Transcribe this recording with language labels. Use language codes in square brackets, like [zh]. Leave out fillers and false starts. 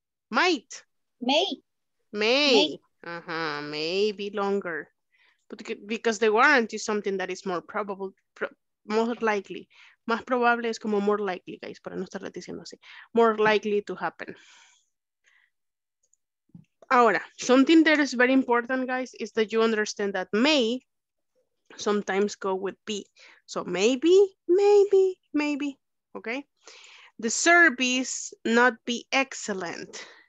[en] Might. May. May. Uh-huh. May be longer. But because the warranty is something that is more probable, more likely. [es] Más probable es como [en] more likely, guys, [es] para no estar diciendo así. [en] More likely to happen. Ahora, something that is very important, guys, is that you understand that may sometimes go with be. So maybe, maybe, maybe. Okay. The service not be excellent.